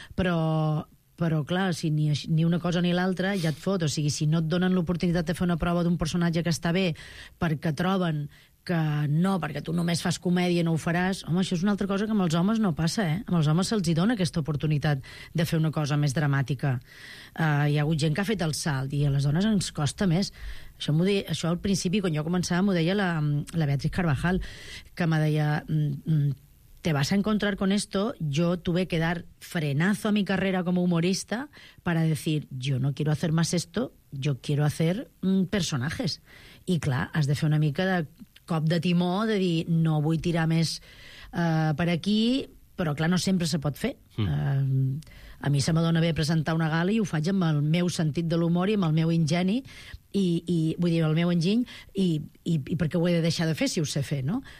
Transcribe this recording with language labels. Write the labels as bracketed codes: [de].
[ca] Però clar, si ni una cosa ni l'altra, ja et fot. O sigui, si no et donen l'oportunitat de fer una prova d'un personatge que està bé perquè troben que no, perquè tu només fas comèdia, no ho faràs... Home, això és una altra cosa que amb els homes no passa, eh? Amb els homes se'ls dona aquesta oportunitat de fer una cosa més dramàtica. Hi ha hagut gent que ha fet el salt, i a les dones ens costa més. Això, això al principi, quan jo començava, m'ho deia la Beatriz Carvajal, que me deia... [es] te vas a encontrar con esto, yo tuve que dar frenazo a mi carrera como humorista para decir, yo no quiero hacer más esto, yo quiero hacer personajes. [ca] I clar, has de fer una mica de cop de timó, de dir, no vull tirar més per aquí, però clar, no sempre se pot fer. A mi se m'adona bé presentar una gala i ho faig amb el meu sentit de l'humor i amb el meu ingeni, i vull dir, el meu enginy, i perquè ho he de deixar de fer si ho sé fer, no?